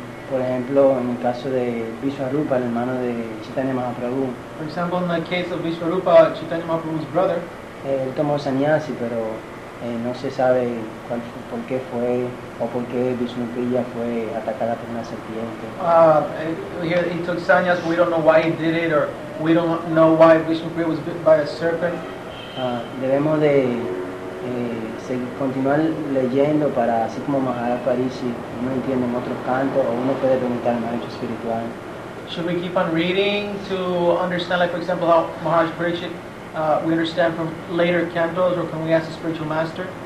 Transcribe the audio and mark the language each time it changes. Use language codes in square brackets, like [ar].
[es] Por ejemplo, en el caso de Vishwarupa, el hermano de Chaitanya Mahaprabhu. [en] For example, in the case of Vishwarupa, Chaitanya Mahaprabhu's brother. [es] Él tomó sannyasi, pero no se sabe por qué fue o por qué Vishnupriya fue atacada por una serpiente. [en] He took sannyasi, we don't know why he did it, or we don't know why Vishnupriya was bit by a serpent. [es] Debemos de seguir continuar leyendo para así como Maharaj Parishi uno entiende en otros cantos o uno puede preguntar al maestro espiritual. [en] Should we keep on reading to understand, like for example, how Maharaj Parishi we understand from later cantos, or can we ask the spiritual master?